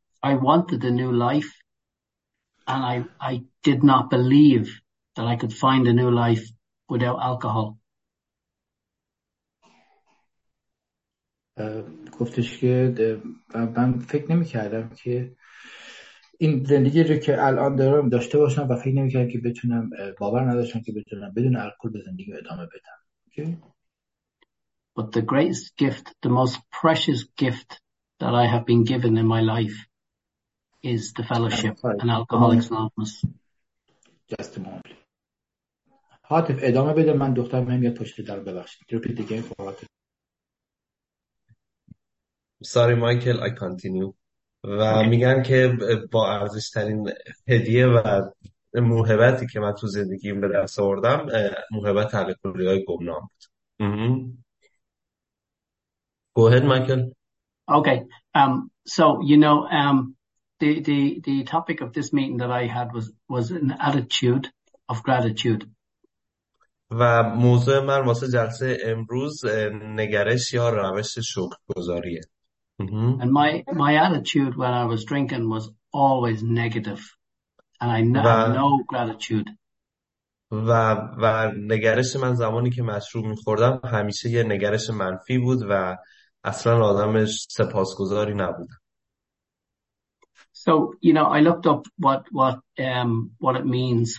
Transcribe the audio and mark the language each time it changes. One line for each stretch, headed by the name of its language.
English: I wanted a new life and I did not believe that I could find a new life without alcohol.
Persian: گفتش که من فکر نمی‌کردم که این زندگی رو که الان دارم داشته باشم و فکر نمی‌کردم که بتونم باور نداشتم که بتونم بدون الکل به زندگی ادامه بدم.
English: Okay. But the greatest gift, the most precious gift that I have been given in my life is the fellowship and Alcoholics Anonymous. Just a moment.
Persian: حاطف ادامه بده، من دختر مهمیت پشت در ببخشید.
English: Repeat again for حاطف. Sorry Michael, I continue.
Persian: و میگم که با ارزش ترین هدیه و موهبتی که من تو زندگیم به دست آوردم موهبت الکلی های گمنام بود.
English: Go ahead Michael. Okay. So you know the topic of this meeting that I had was an attitude of gratitude.
Persian: و موضوع من واسه جلسه امروز نگرش یا روش شکرگزاریه.
English: And my attitude when I was drinking was always negative, and I had no gratitude.
Persian: و نگرش من زمانی که مشروب می‌خوردم همیشه یه نگرش منفی بود و اصلاً آدمش سپاسگزاری نبود.
English: So you know, I looked up what it means.